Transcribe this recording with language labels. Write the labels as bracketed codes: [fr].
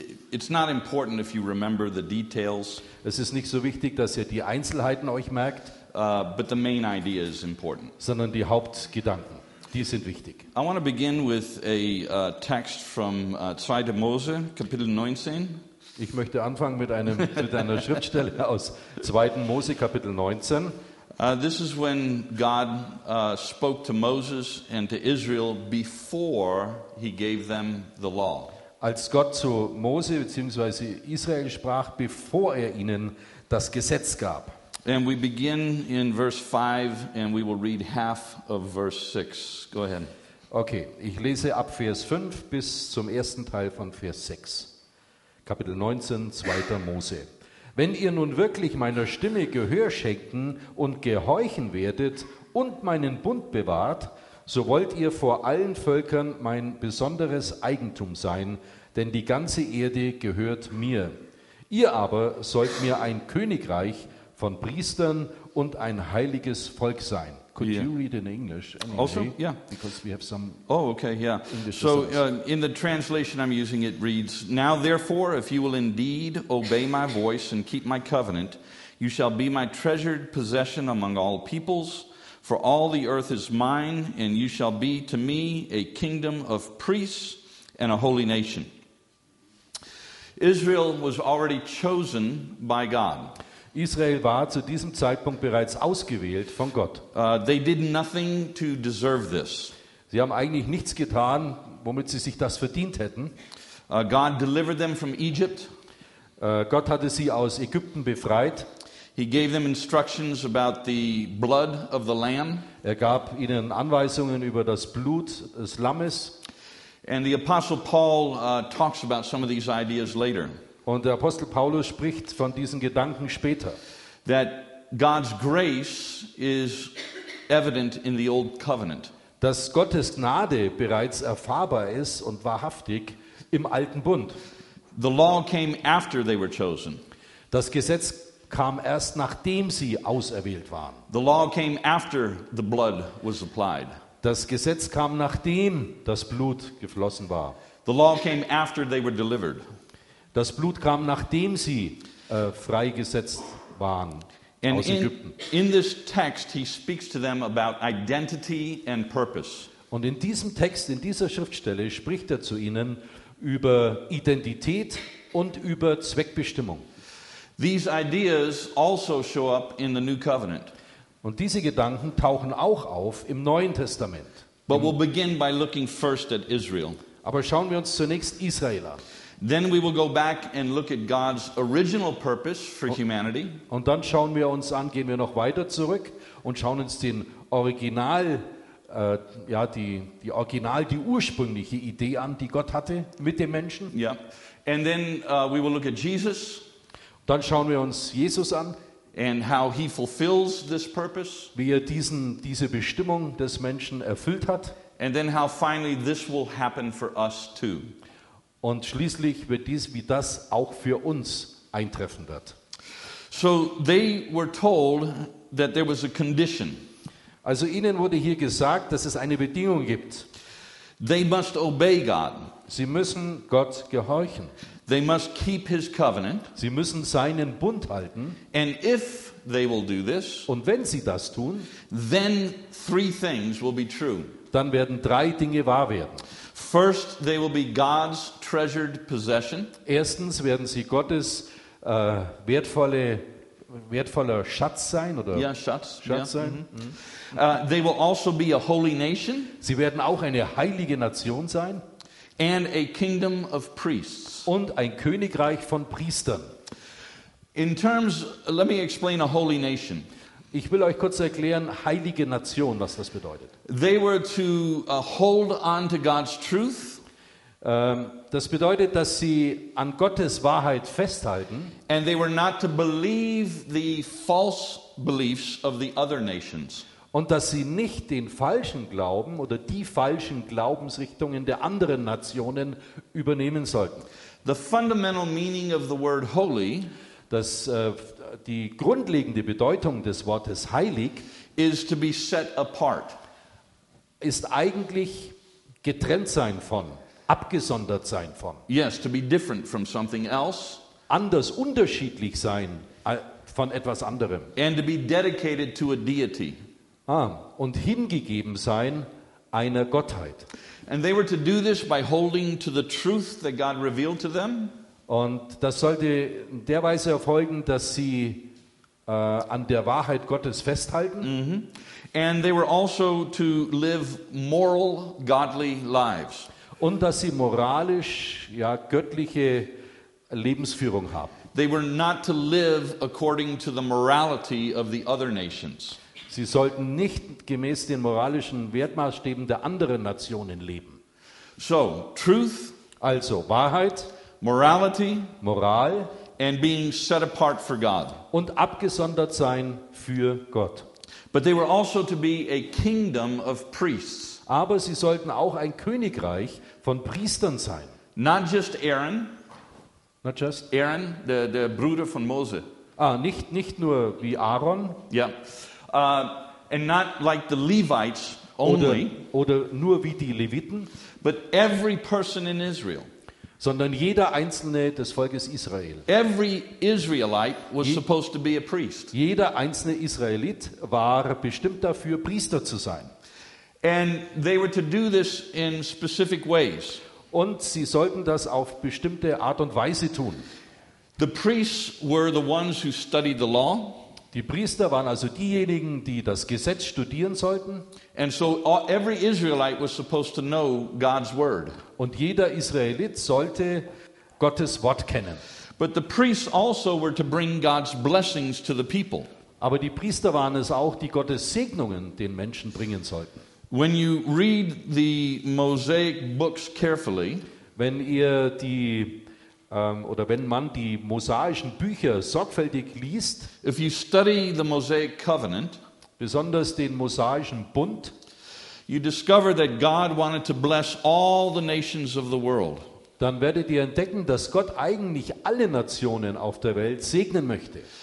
[en] It's not important if you remember the details. [de] Es ist nicht so wichtig, dass ihr die Einzelheiten euch merkt. [en] But the main idea is important. [de] Sondern die Hauptgedanken, die sind wichtig. [en] I want to begin with a text from 2. [de] Mose, Kapitel 19. Ich möchte anfangen mit einer Schriftstelle aus 2. Mose, Kapitel 19. [en] This is when God spoke to Moses and to Israel before he gave them the law. [de] Als Gott zu Mose bzw. Israel sprach, bevor er ihnen das Gesetz gab. [en] And we begin in verse 5 and we will read half of verse 6. Go ahead. [de] Okay, ich lese ab Vers 5 bis zum ersten Teil von Vers 6. Kapitel 19, 2. Mose. Wenn ihr nun wirklich meiner Stimme Gehör schenken und gehorchen werdet und meinen Bund bewahrt, so wollt ihr vor allen Völkern mein besonderes Eigentum sein, denn die ganze Erde gehört mir. Ihr aber sollt mir ein Königreich von Priestern und ein heiliges Volk sein. [en] Could you read in English? Anyway? Also, yeah. Because we have some... Oh, okay, yeah. English so, in the translation I'm using, it reads, Now therefore, if you will indeed obey my voice and keep my covenant, you shall be my treasured possession among all peoples, for all the earth is mine, and you shall be to me a kingdom of priests and a holy nation. Israel was already chosen by God. [de] Israel war zu diesem Zeitpunkt bereits ausgewählt von Gott. [en] They did nothing to deserve this. [de] Sie haben eigentlich nichts getan, womit sie sich das verdient hätten. [en] God delivered them from Egypt. [de] Gott hatte sie aus Ägypten befreit. [en] He gave them instructions about the blood of the lamb. [de] Er gab ihnen Anweisungen über das Blut des Lammes. [en] And the Apostle Paul talks about some of these ideas later. [de] Und der Apostel Paulus spricht von diesen Gedanken später. [en] That God's grace is evident in the old covenant. [de] Dass Gottes Gnade bereits erfahrbar ist und wahrhaftig im alten Bund. [en] The law came after they were chosen. [de] Das Gesetz kam erst nachdem sie auserwählt waren. [en] The law came after the blood was applied. [de] Das Gesetz kam nachdem das Blut geflossen war. [en] The law came after they were delivered. [de] Das Blut kam, nachdem sie freigesetzt waren [en] and [de] aus Ägypten. [en] In this text, he speaks to them about identity and purpose. [de] Und in diesem Text, in dieser Schriftstelle, spricht er zu ihnen über Identität und über Zweckbestimmung. [en] These ideas also show up in the New Covenant. [de] Und diese Gedanken tauchen auch auf im Neuen Testament. [en] But we'll begin by looking first at Israel. [de] Aber schauen wir uns zunächst Israel an. [en] Then we will go back and look at God's original purpose for humanity. [de] Und dann schauen wir uns an, gehen wir noch weiter zurück und schauen uns den Original, die Original, die ursprüngliche Idee an, die Gott hatte mit dem Menschen. [en] Yeah. And then we will look at Jesus. [de] Dann schauen wir uns Jesus an. [en] And how he fulfills this purpose. [de] Wie er diese Bestimmung des Menschen erfüllt hat. [en] And then how finally this will happen for us too. [de] Und schließlich wird dies, wie das auch für uns eintreffen wird. [en] So they were told that there was a condition. [de] Also ihnen wurde hier gesagt, dass es eine Bedingung gibt. [en] They must obey God. [de] Sie müssen Gott gehorchen. [en] They must keep his covenant. [de] Sie müssen seinen Bund halten. [en] And if they will do this, [de] und wenn sie das tun, [en] then three things will be true. [de] Dann werden drei Dinge wahr werden. [en] First, they will be God's treasured possession. [de] Erstens werden sie Gottes wertvoller Schatz sein oder Schatz sein. Mm-hmm. [en] They will also be a holy nation. [de] Sie werden auch eine heilige Nation sein. [en] And a kingdom of priests. [de] Und ein Königreich von Priestern. [en] In terms, let me explain a holy nation. [de] Ich will euch kurz erklären, heilige Nation, was das bedeutet. [en] They were to hold on to God's truth. [de] Das bedeutet, dass sie an Gottes Wahrheit festhalten. [en] And they were not to believe the false beliefs of the other nations. [de] Und dass sie nicht den falschen Glauben oder die falschen Glaubensrichtungen der anderen Nationen übernehmen sollten. [en] The fundamental meaning of the word holy, [de] das die grundlegende Bedeutung des Wortes heilig, [en] is to be set apart. [de] Ist eigentlich getrennt sein von, abgesondert sein von. [en] Yes, to be different from something else. [de] Anders, unterschiedlich sein von etwas anderem. [en] And to be dedicated to a deity. [de] Ah, und hingegeben sein einer Gottheit. [en] And they were to do this by holding to the truth that God revealed to them. [de] Und das sollte in der Weise erfolgen, dass sie an der Wahrheit Gottes festhalten. Mm-hmm. [en] And they were also to live moral, godly lives. [de] Und dass sie moralisch, göttliche Lebensführung haben. [en] They were not to live according to the morality of the other nations. [de] Sie sollten nicht gemäß den moralischen Wertmaßstäben der anderen Nationen leben. [en] So, truth, [de] also Wahrheit, [en] morality, [de] Moral, [en] and being set apart for God. [de] Und abgesondert sein für Gott. [en] But they were also to be a kingdom of priests. [de] Aber sie sollten auch ein Königreich von Priestern sein. [en] Not just Aaron. Not just [de] Aaron, der Bruder von Mose. Ah, nicht nur wie Aaron. [en] Ja. Yeah. And not like the Levites only, [de] oder nur wie die Leviten, [en] but every person in Israel, [de] sondern jeder einzelne des Volkes Israel. [en] Every Israelite was supposed to be a priest. [de] Jeder einzelne Israelit war bestimmt dafür, Priester zu sein. [en] And they were to do this in specific ways. [de] Und sie sollten das auf bestimmte Art und Weise tun. [en] The priests were the ones who studied the law. [de] Die Priester waren also diejenigen, die das Gesetz studieren sollten. [en] And so every Israelite was supposed to know God's word. [de] Und jeder Israelit sollte Gottes Wort kennen. [en] But the priests also were to bring God's blessings to the people. [de] Aber die Priester waren es auch, die Gottes Segnungen den Menschen bringen sollten. [en] When you read the Mosaic books carefully, [de] wenn ihr die oder wenn man die mosaischen Bücher sorgfältig liest, [en] if you study the Mosaic Covenant, [de] besonders den mosaischen Bund, [en] you discover that God wanted to bless all the nations of the world. [de] Dann werdet ihr entdecken, dass Gott eigentlich alle Nationen auf der Welt segnen möchte.